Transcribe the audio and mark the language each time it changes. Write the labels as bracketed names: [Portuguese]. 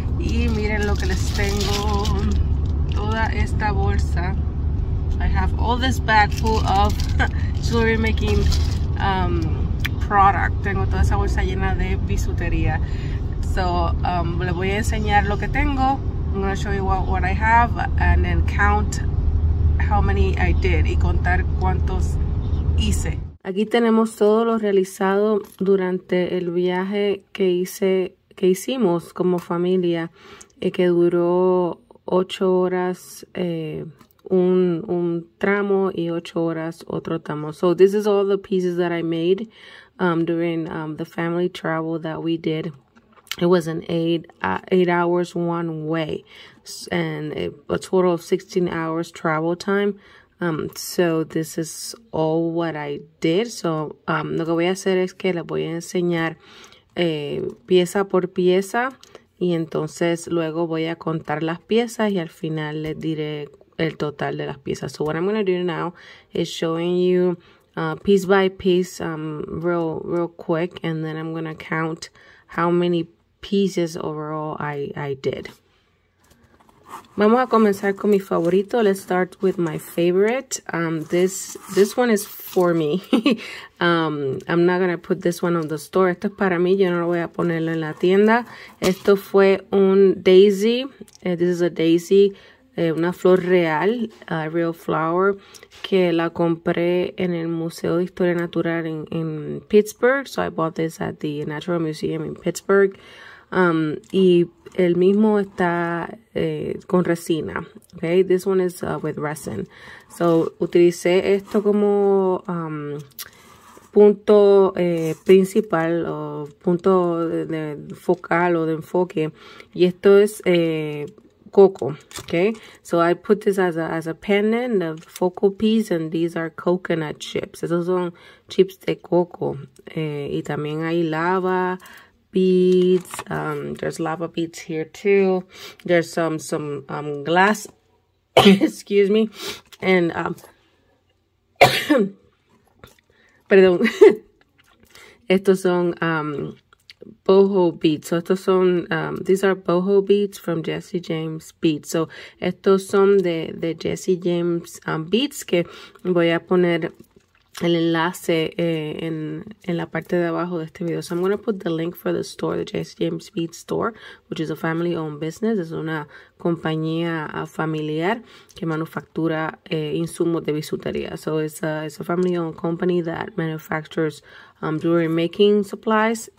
[Spanish] Y miren lo que les tengo, toda esta bolsa. [English] I have all this bag full of jewelry making product. [Spanish] Tengo toda esa bolsa llena de bisutería. So le voy a enseñar lo que tengo. [English] I'm gonna show you what I have and then count how many I did, [Spanish] y contar cuántos hice. Aquí tenemos todo lo realizado durante el viaje que hicimos como familia, que duró 8 horas un tramo y 8 horas otro tramo. [English] So this is all the pieces that I made during the family travel that we did. It was an eight hours one way and a total of 16 hours travel time. So this is all what I did. [Spanish] So lo que voy a hacer es que les voy a enseñar pieza por pieza, y entonces luego voy a contar las piezas y al final les diré el total de las piezas. [English] So what I'm gonna do now is showing you piece by piece real quick, and then I'm gonna count how many pieces overall I did. [Spanish] Vamos a comenzar con mi favorito. [English] Let's start with my favorite. This one is for me. I'm not gonna put this one on the store. [Spanish] Esto es para mí. Yo no lo voy a ponerlo en la tienda. Esto fue un daisy. [English] This is a daisy, [Spanish] una flor real, [English] a real flower, [Spanish] que la compré en el Museo de Historia Natural en Pittsburgh. [English] So I bought this at the Natural Museum in Pittsburgh. [Spanish] Y el mismo está con resina. [English] Okay, this one is with resin. [Spanish] So utilicé esto como punto principal o punto de focal o de enfoque, y esto es coco. [English] Okay, so I put this as a pendant, the focal piece, and these are coconut chips. [Spanish] Esos son chips de coco, y también hay lava beads. [English] There's lava beads here too. There's some glass. Excuse me. And [Spanish] perdón. Estos son [English] boho beads. [Spanish] So estos son [English] these are boho beads from Jesse James Beads. [Spanish] So estos son de Jesse James beads, que voy a poner el enlace en la parte de abajo de este video. [English] So I'm going to put the link for the store, the Jesse James Beads store, which is a family owned business. [Spanish] Es una compañía familiar que manufactura insumos de bisutería. [English] So it's a family owned company that manufactures jewelry making supplies.